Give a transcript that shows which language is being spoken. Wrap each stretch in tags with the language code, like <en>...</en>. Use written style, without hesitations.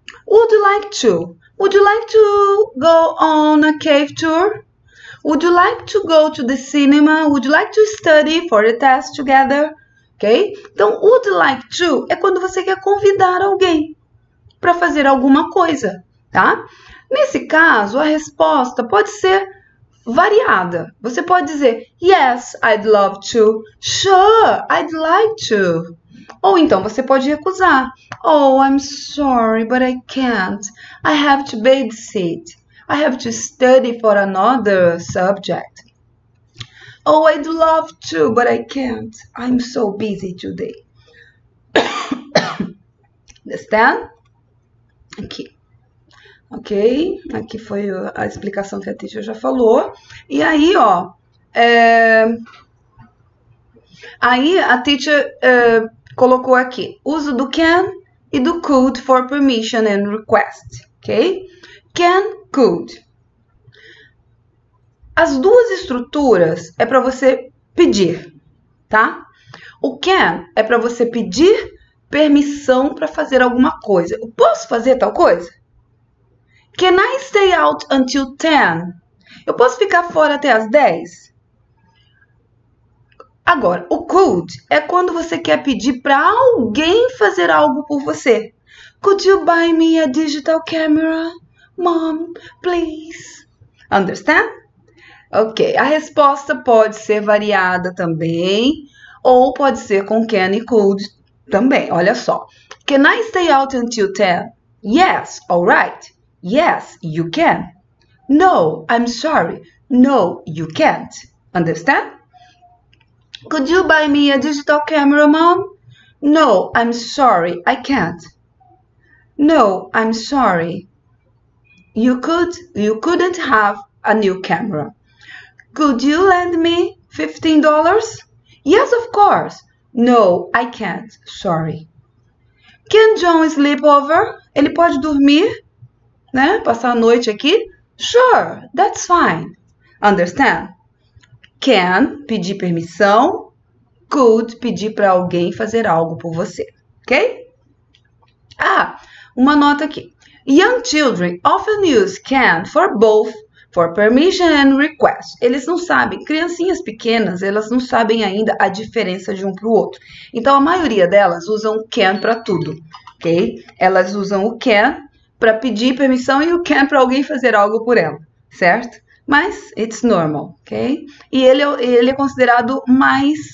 <en>Would you like to go on a cave tour? Would you like to go to the cinema? Would you like to study for the test together? Ok?</en> <pt>Então,</pt> <en>would like to</en> <pt>é quando você quer convidar alguém para fazer alguma coisa, tá? Nesse caso, a resposta pode ser variada. Você pode dizer,</pt> <en>yes, I'd love to. Sure, I'd like to.</en> <pt>Ou então você pode recusar.</pt> <en>Oh, I'm sorry, but I can't. I have to babysit. I have to study for another subject. Oh, I'd love to, but I can't. I'm so busy today. Understand? Aqui. Ok?</en> <pt>Aqui foi a explicação que a teacher já falou. E aí, ó. Aí a teacher colocou aqui. Uso do can e do could</pt> <en>for permission and request. Ok? Can, could.</en> <pt>As duas estruturas é para você pedir, tá? O can é para você pedir permissão para fazer alguma coisa. Eu posso fazer tal coisa?</pt> <en>Can I stay out until 10?</en> <pt>Eu posso ficar fora até as 10? Agora, o could é quando você quer pedir para alguém fazer algo por você.</pt> <en>Could you buy me a digital camera? Mom, please. Understand?</en> <pt>Ok, a resposta pode ser variada também, ou pode ser com can e could também, olha só.</pt> <en>Can I stay out until 10? Yes, all right. Yes, you can. No, I'm sorry. No, you can't. Understand? Could you buy me a digital camera, Mom? No, I'm sorry, I can't. No, I'm sorry. You couldn't have a new camera. Could you lend me $15? Yes, of course. No, I can't. Sorry. Can John sleep over?</en> <pt>Ele pode dormir, né? Passar a noite aqui?</pt> <en>Sure, that's fine. Understand? Can,</en> <pt>pedir permissão. Could, pedir para alguém fazer algo por você. Ok? Ah, uma nota aqui.</pt> <en>Young children often use can for both. For permission and request.</en> <pt>Eles não sabem. Criancinhas pequenas, elas não sabem ainda a diferença de um para o outro. Então, a maioria delas usam o can para tudo. Ok? Elas usam o can para pedir permissão e o can para alguém fazer algo por ela. Certo? Mas,</pt> <en>it's normal.</en> <pt>Ok? E ele é considerado mais...</pt>